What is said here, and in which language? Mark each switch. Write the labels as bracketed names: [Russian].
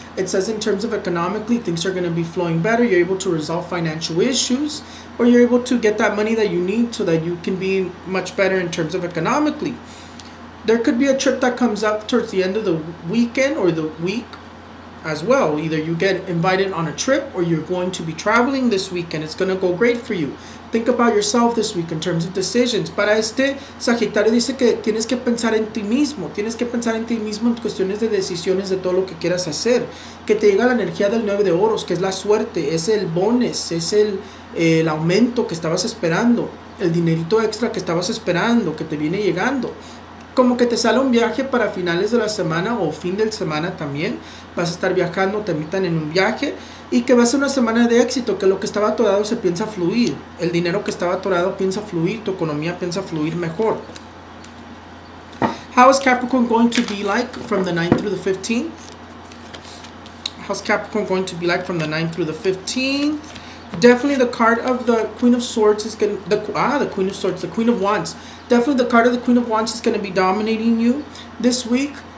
[English] It says in terms of economically, things are going to be flowing better. You're able to resolve financial issues, or you're able to get that money that you need so that you can be much better in terms of economically. There could be a trip that comes up towards the end of the weekend or the week as well. Either you get invited on a trip or you're going to be traveling this weekend. It's going to go great for you. Think about yourself this week in terms of decisions. [Spanish] Para este, Sagitario dice que tienes que pensar en ti mismo. Tienes que pensar en ti mismo en cuestiones de decisiones de todo lo que quieras hacer. Que te llega la energía del 9 de oros, que es la suerte, es el bonus, es el aumento que estabas esperando, el dinerito extra que estabas esperando, que te viene llegando. Como que te sale un viaje para finales de la semana o fin de semana también. Vas a estar viajando, te invitan en un viaje. Y que va a ser una semana de éxito, que lo que estaba atorado se piensa fluir. El dinero que estaba atorado piensa fluir, tu economía piensa fluir mejor. [English] How is Capricorn going to be like from the 9th through the 15th? How's Capricorn going to be like from the 9th through the 15th? Definitely the card of the Queen of Swords is going to... the Queen of Swords, the Queen of Wands. Definitely the card of the Queen of Wands is going to be dominating you this week.